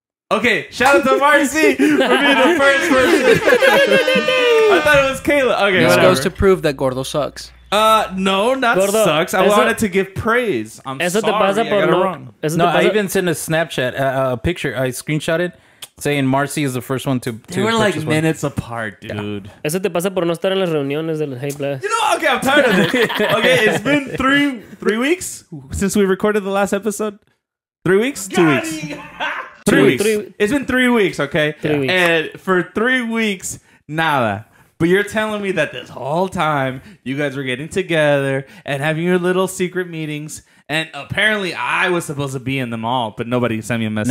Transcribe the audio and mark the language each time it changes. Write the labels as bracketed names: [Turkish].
[English] Okay, shout out to Marcy for being the first person. I thought it was Kayla. Okay, this whatever. Goes to prove that Gordo sucks. No, not Gordo, sucks. I wanted to give praise. I'm sorry, I got it wrong. I even sent a Snapchat, a picture. I screenshot it saying Marcy is the first one to purchase. They were like minutes apart, dude. Yeah. [Spanish] Eso te pasa por no estar en las reuniones del Hey Plebes. [English] You know, okay, I'm tired of this. Okay, it's been three weeks since we recorded the last episode. 3 weeks? Got 2 weeks. 3 weeks. It's been 3 weeks, okay? 3 weeks. And for 3 weeks, nada. But you're telling me that this whole time, you guys were getting together and having your little secret meetings, and apparently I was supposed to be in them all, but nobody sent me a message.